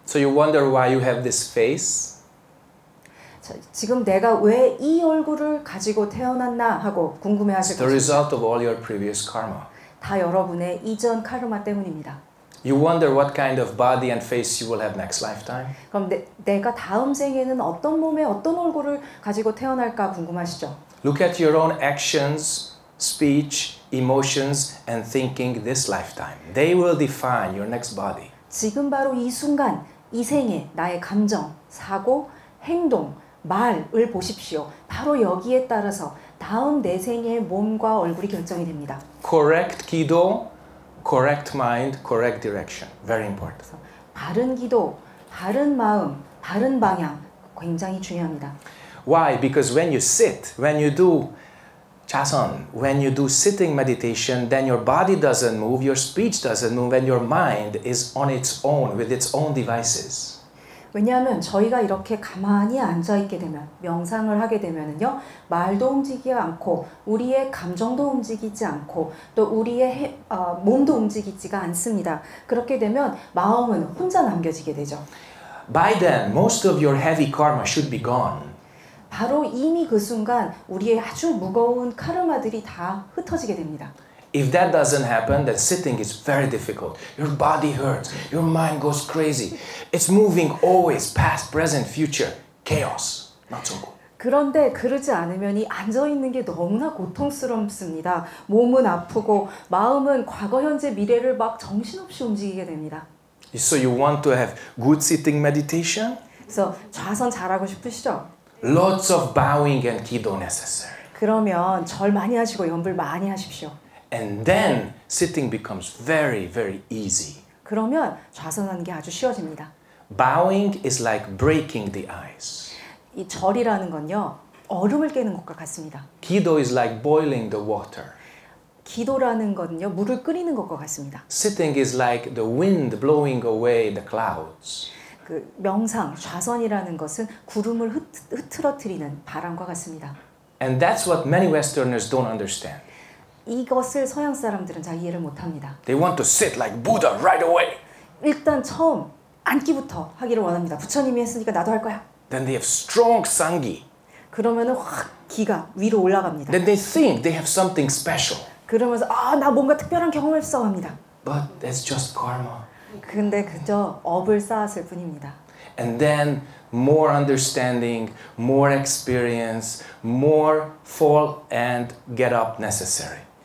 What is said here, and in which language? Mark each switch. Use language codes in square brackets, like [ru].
[en] So you wonder why you have this face? [ko] 자, 지금 내가 왜 이 얼굴을 가지고 태어났나 하고 궁금해하실 것입니다. [en] It's the result of all your previous karma. [ko] 다 여러분의 이전 카르마 때문입니다. [en] You wonder what kind of body and face you will have next lifetime? [ko] 그럼 내가 다음 생에는 어떤 몸에 어떤 얼굴을 가지고 태어날까 궁금하시죠? [en] Look at your own actions, speech, emotions and thinking this lifetime. They will define your next body. [ko] 지금 바로 이 순간, 이 생에 나의 감정, 사고, 행동, 말을 보십시오. 바로 여기에 따라서 다음 내 생의 몸과 얼굴이 결정이 됩니다. [en] Correct 기도, correct mind, correct direction. Very important. [ko] 바른 기도, 바른 마음, 바른 방향 굉장히 중요합니다. [en] Why? Because when you sit, when you do 자선, when you do sitting meditation, then your body doesn't move, your speech doesn't move, and your mind is on its own, with its own devices. [ko] 왜냐하면 저희가 이렇게 가만히 앉아 있게 되면 명상을 하게 되면은요 말도 움직이지 않고 우리의 감정도 움직이지 않고 또 우리의 몸도 움직이지가 않습니다. 그렇게 되면 마음은 혼자 남겨지게 되죠. [en] By then, most of your heavy karma should be gone. [ko] 바로 이미 그 순간 우리의 아주 무거운 카르마들이 다 흩어지게 됩니다. [en] If that doesn't happen, that sitting is very difficult. Your body hurts. Your mind goes crazy. It's moving always, past, present, future. Chaos. Not so good. [ko] 그런데 그러지 않으면 이 앉아 있는 게 너무나 고통스럽습니다. 몸은 아프고 마음은 과거, 현재, 미래를 막 정신없이 움직이게 됩니다. [en] So you want to have good sitting meditation? [ko] So 좌선 잘하고 싶으시죠? [en] Lots of bowing and kido necessary. [ko] 그러면 절 많이 하시고 염불 많이 하십시오. [en] And then sitting becomes very, very easy. [ko] 그러면 좌선하는 게 아주 쉬워집니다. [en] Bowing is like breaking the ice. [ko] 이 절이라는 건요, 얼음을 깨는 것과 같습니다. [en] Kido is like boiling the water. [ko] 기도라는 건요, 물을 끓이는 것과 같습니다. [en] Sitting is like the wind blowing away the clouds. [ko] 그 명상, 좌선이라는 것은 구름을 흐트러뜨리는 바람과 같습니다. [en] And that's what many Westerners don't understand. [ko] 이것을 서양 사람들은 잘 이해를 못합니다. [en] They want to sit like Buddha right away. [ko] 일단 처음 앉기부터 하기를 원합니다. 부처님이 했으니까 나도 할 거야. [en] Then they have strong sanghi. [ko] 그러면은 확 기가 위로 올라갑니다. [en] Then they think they have something special. [ko] 그러면서 아, 나 뭔가 특별한 경험을 했어 합니다. [en] But that's just karma. [ko] 근데 그저 업을 쌓았을 뿐입니다. [en] And then more understanding, more experience, more fall and get up necessary.